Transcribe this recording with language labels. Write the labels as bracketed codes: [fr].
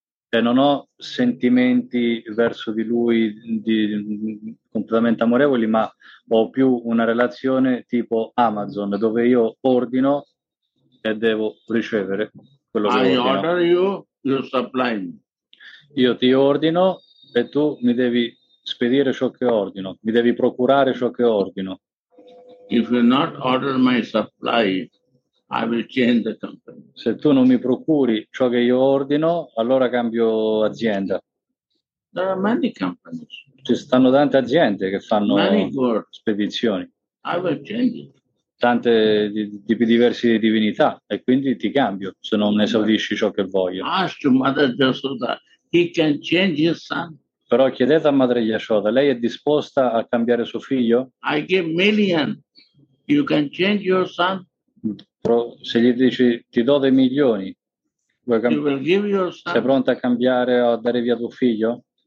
[it] E non ho sentimenti verso di lui completamente amorevoli, ma ho più una relazione tipo Amazon, dove io ordino e devo ricevere quello che ordino. [en] I order you, you supply me. [it] Io ti ordino e tu mi devi spedire ciò che ordino, mi devi procurare ciò che ordino. [en] If you not order my supply, I will change the company. [it] Se tu non mi procuri ciò che io ordino, allora cambio azienda. [en] There are many companies. [it] Ci stanno tante aziende che fanno spedizioni. [en] I will change it. [it] Tante tipi diversi di divinità, e quindi ti cambio se non esaudisci ciò che voglio. [en] Ask to Mother Yashoda, he can change his son. [it] Però chiedete a Madre Yashoda, lei è disposta a cambiare suo figlio? [en] I give million, you can change your son. [it] Se gli dici ti do dei milioni, sei pronta a cambiare o a dare via tuo figlio?